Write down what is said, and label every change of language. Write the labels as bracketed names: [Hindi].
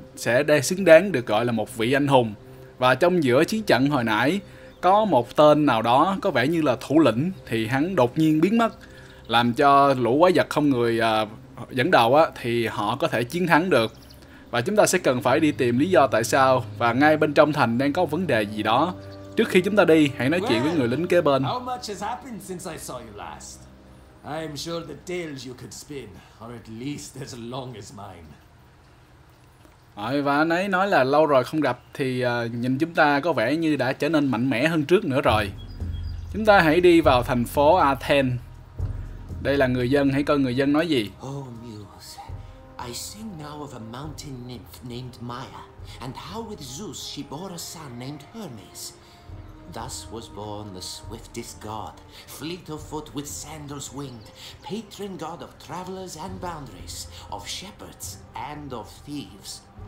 [Vietnamese] sẽ đây xứng đáng được gọi là một vị anh hùng. Và trong giữa chiến trận hồi nãy, có một tên nào đó có vẻ như là thủ lĩnh thì hắn đột nhiên biến mất, làm cho lũ quái vật không người dẫn đầu á thì họ có thể chiến thắng được. Và chúng ta sẽ cần phải đi tìm lý do tại sao và ngay bên trong thành đang có vấn đề gì đó. Trước khi chúng ta đi, hãy nói chuyện với người lính kế bên. [English] How much has happened since I saw you last? I'm sure the tales you could spin are at least as long as mine. [Vietnamese] Và anh ấy nói là lâu rồi không gặp thì nhìn chúng ta có vẻ như đã trở nên mạnh mẽ hơn trước nữa rồi. Chúng ta hãy đi vào thành phố Athens. Đây là người dân, hãy coi người dân nói gì. [English] Oh Muse, I sing now of a mountain nymph named Maia, and how with Zeus she bore a son named Hermes. Thus was born the swiftest god, fleet of foot with sandals winged, patron god of travelers and boundaries, of shepherds and of thieves.